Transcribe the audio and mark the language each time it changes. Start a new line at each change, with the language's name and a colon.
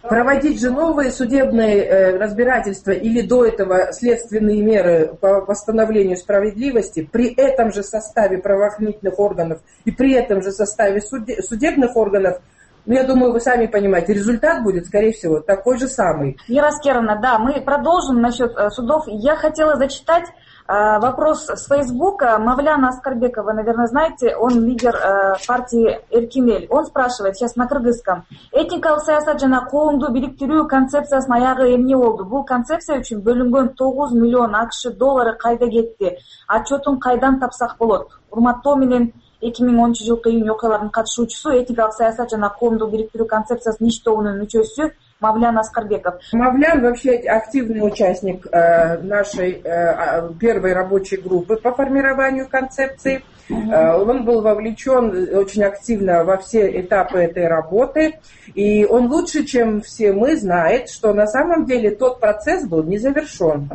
Russian: Проводить же новые судебные разбирательства или до этого следственные меры по восстановлению справедливости при этом же составе правоохранительных органов и при этом же составе судебных органов, ну, я думаю, вы сами понимаете, результат будет, скорее всего, такой же самый. Ира Аскеровна, да, мы продолжим насчет судов. Я хотела зачитать вопрос с Фейсбука. Мавляна Аскарбекова, наверное, знаете, он лидер партии «Эркинель». Он спрашивает сейчас на кыргызском.
Kyrgyz: «Этникал саясат жана коомду бириктирүү концепциясынын аягы эмне болду? Бул концепция үчүн бөлүнгөн 9 миллион АКШ доллары кайда кетти? Отчетун кайдан тапсак болот? Урматтоо менен 2013 жылкы июнь окуяларынын катышуучусу, этникалык саясат жана коомду бириктирүү концепциясынын иш тобунун мүчөсү Мавлян Аскарбеков».
Russian: Мавлян вообще активный участник нашей первой рабочей группы по формированию концепции. Угу. Он был вовлечен очень активно во все этапы этой работы. И он лучше, чем все мы, знает, что на самом деле тот процесс был не завершен.